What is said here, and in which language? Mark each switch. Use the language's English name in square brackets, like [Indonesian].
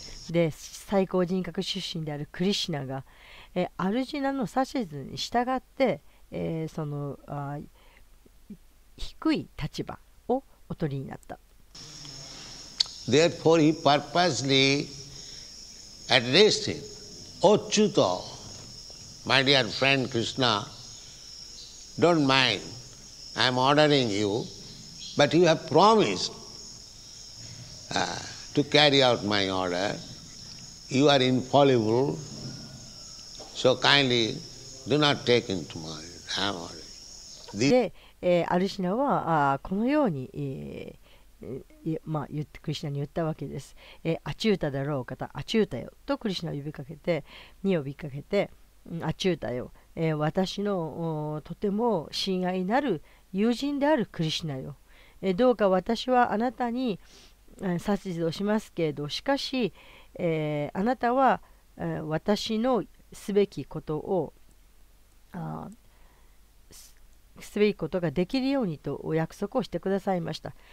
[Japanese] で最高人格出身であるクリシナが、アルジナの指図に従って、その低い立場をお取りになった。 [English] Therefore, he purposely addressed him, Achyuta, my dear friend Krishna, don't mind, I'm ordering you, but you have promised. To carry out my order, you are infallible, so kindly do not take into mind. [Japanese] で、アルシナはこのように、言ってクリシナに言ったわけです。アチュータだろう方、アチュータよとクリシナを呼びかけて、に呼びかけて、アチュータよ、私のとても親愛なる友人であるクリシナよ、どうか私はあなたに殺意をしますけれど、しかし、あなたは私のすべきことをすべきことができるようにとお約束をしてくださいました。